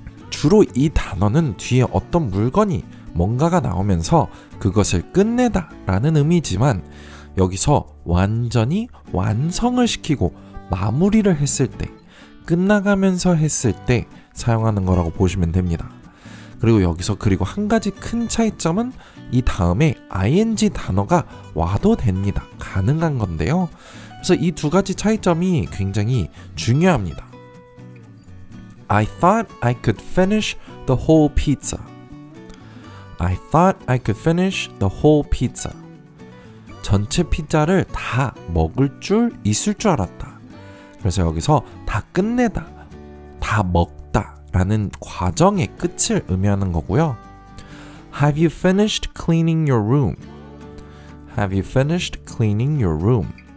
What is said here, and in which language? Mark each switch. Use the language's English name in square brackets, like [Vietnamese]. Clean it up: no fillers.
[Korean] 주로 이 단어는 뒤에 어떤 물건이 뭔가가 나오면서 그것을 끝내다 라는 의미지만 여기서 완전히 완성을 시키고 마무리를 했을 때 끝나가면서 했을 때 사용하는 거라고 보시면 됩니다. 그리고 여기서 그리고 한 가지 큰 차이점은 이 다음에 ing 단어가 와도 됩니다. 가능한 건데요. 그래서 이 두 가지 차이점이 굉장히 중요합니다. [English] I thought I could finish the whole pizza. I thought I could finish the whole pizza. [Korean] 전체 피자를 다 먹을 줄 있을 줄 알았다. 그래서 여기서 다 끝내다, 다 먹다 라는 과정의 끝을 의미하는 거고요. [English] Have you finished cleaning your room? Have you finished cleaning your room?